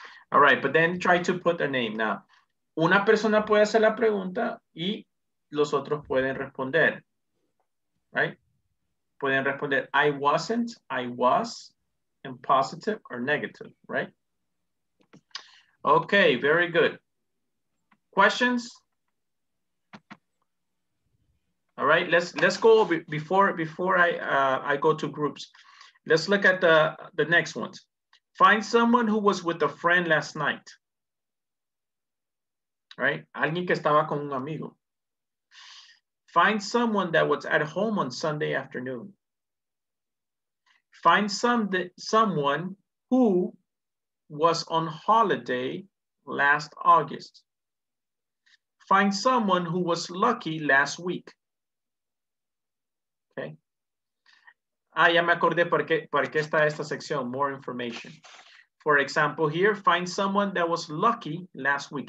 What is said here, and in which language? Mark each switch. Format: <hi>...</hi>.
<en>All right, but then try to put a name now.</en> <es>Una persona puede hacer la pregunta y los otros pueden responder.</es> <en>Right?</en> <es>Pueden responder</es> <en>I wasn't, I was, and positive or negative, right? Okay, very good. Questions? All right, let's go before I go to groups. Let's look at the next ones. Find someone who was with a friend last night. All right?</en> <es>Alguien que estaba con un amigo.</es> <en>Find someone that was at home on Sunday afternoon. Find someone who was on holiday last August. Find someone who was lucky last week. Okay.</en> <es>Ah, ya me acordé por qué está esta sección.</es> <en>More information. For example, here, find someone that was lucky last week.</en>